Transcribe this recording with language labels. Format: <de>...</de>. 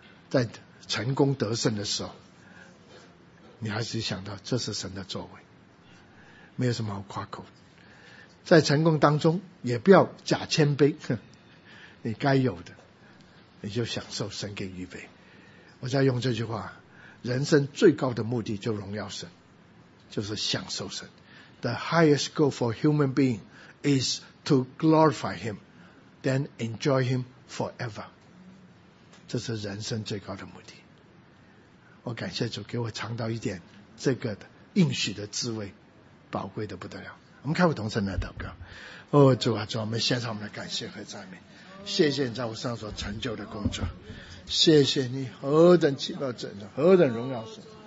<zh>在成功得胜的时候，你还是想到这是神的作为，没有什么好夸口。在成功当中也不要假谦卑，你该有的你就享受神给预备。我再用这句话，人生最高的目的就荣耀神，就是享受神。</zh> <en>The highest goal for human being is to glorify him then enjoy him forever。</en> <zh>这是人生最高的目的。我感谢主给我尝到一点这个应许的滋味，宝贵的不得了。我们开会同声来祷告。哦，主啊，主啊，我们献上我们的感谢和赞美，谢谢你在我身上所成就的工作，谢谢你何等奇妙拯救，何等荣耀神。</zh>